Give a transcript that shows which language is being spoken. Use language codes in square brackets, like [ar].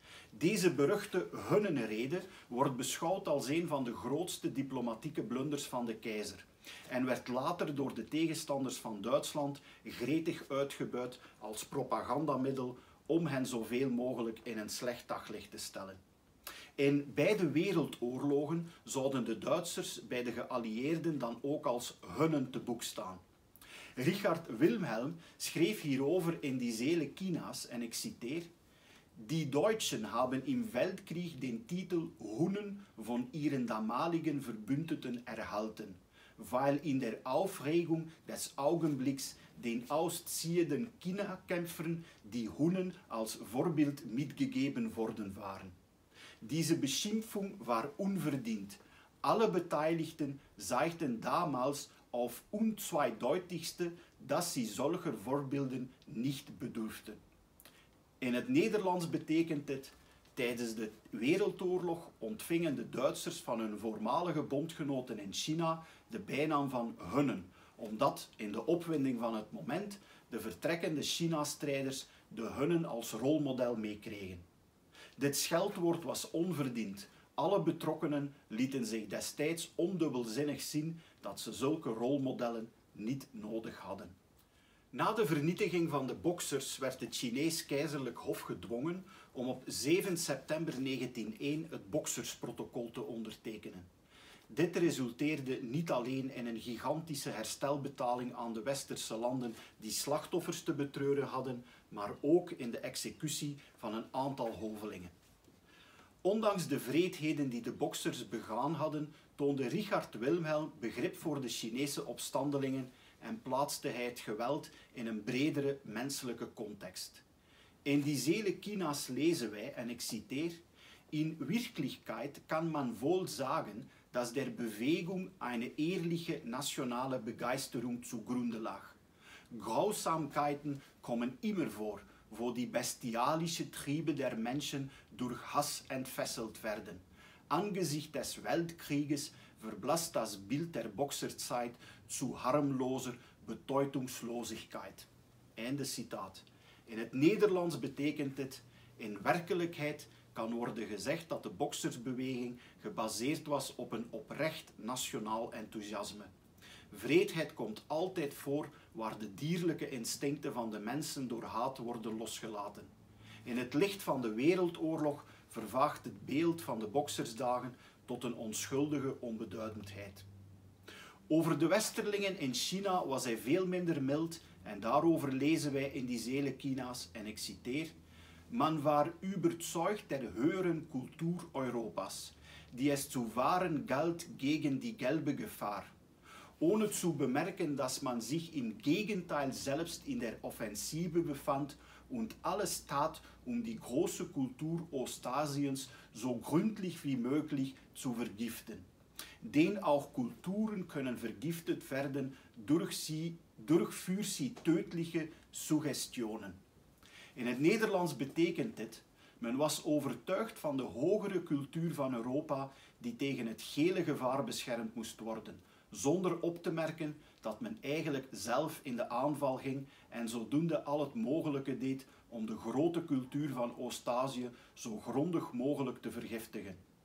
[nl] Deze beruchte Hunnenrede wordt beschouwd als een van de grootste diplomatieke blunders van de keizer en werd later door de tegenstanders van Duitsland gretig uitgebuit als propagandamiddel om hen zoveel mogelijk in een slecht daglicht te stellen. In beide wereldoorlogen zouden de Duitsers bij de geallieerden dan ook als Hunnen te boek staan. Richard Wilhelm schreef hierover in die zele China's en ik citeer: [de] die Deutschen haben im Weltkrieg den Titel Hunnen von ihren damaligen Verbündeten erhalten, weil in der Aufregung des Augenblicks den ausziehenden China-Kämpfern die Hunnen als Vorbild mitgegeben worden waren. Diese Beschimpfung war unverdient. Alle Beteiligten zeigten damals auf unzweideutigste, dass sie solcher Vorbilden nicht bedurften. [nl] In het Nederlands betekent dit: tijdens de Wereldoorlog ontvingen de Duitsers van hun voormalige bondgenoten in China de bijnaam van Hunnen, omdat in de opwinding van het moment de vertrekkende China-strijders de Hunnen als rolmodel meekregen. Dit scheldwoord was onverdiend, Alle betrokkenen lieten zich destijds ondubbelzinnig zien dat ze zulke rolmodellen niet nodig hadden. Na de vernietiging van de boksers werd het Chinees keizerlijk hof gedwongen om op 7 september 1901 het boksersprotocol te ondertekenen. Dit resulteerde niet alleen in een gigantische herstelbetaling aan de westerse landen die slachtoffers te betreuren hadden, maar ook in de executie van een aantal hovelingen. Ondanks de wreedheden die de boksers begaan hadden, toonde Richard Wilhelm begrip voor de Chinese opstandelingen en plaatste hij het geweld in een bredere menselijke context. In die Zele China's lezen wij, en ik citeer, [de] in Wirklichkeit kann man wohl sagen, dass der Bewegung eine ehrliche nationale Begeisterung zugrunde lag. Grausamkeiten kommen immer vor, wo die bestialische Triebe der Menschen durch Hass entfesselt werden. Angesichts des Weltkrieges verblasst das Bild der Boxerzeit zu harmloser Bedeutungslosigkeit. [nl] Einde citaat. In het Nederlands betekent dit: in werkelijkheid kan worden gezegd dat de boksersbeweging gebaseerd was op een oprecht nationaal enthousiasme. Wreedheid komt altijd voor waar de dierlijke instincten van de mensen door haat worden losgelaten. In het licht van de wereldoorlog vervaagt het beeld van de boksersdagen tot een onschuldige onbeduidendheid. Over de westerlingen in China was hij veel minder mild en daarover lezen wij in die Zele China's en ik citeer: [de] man war überzeugt der höheren Kultur Europas, die es zu wahren galt gegen die gelbe Gefahr, ohne zu bemerken, dass man sich im Gegenteil selbst in der Offensive befand und alles tat, um die große Kultur Ostasiens so gründlich wie möglich zu vergiften. Denn auch Kulturen können vergiftet werden durch für sie tödliche Suggestionen. [nl] In het Nederlands betekent dit: men was overtuigd van de hogere cultuur van Europa die tegen het gele gevaar beschermd moest worden, zonder op te merken dat men eigenlijk zelf in de aanval ging en zodoende al het mogelijke deed om de grote cultuur van Oost-Azië zo grondig mogelijk te vergiftigen.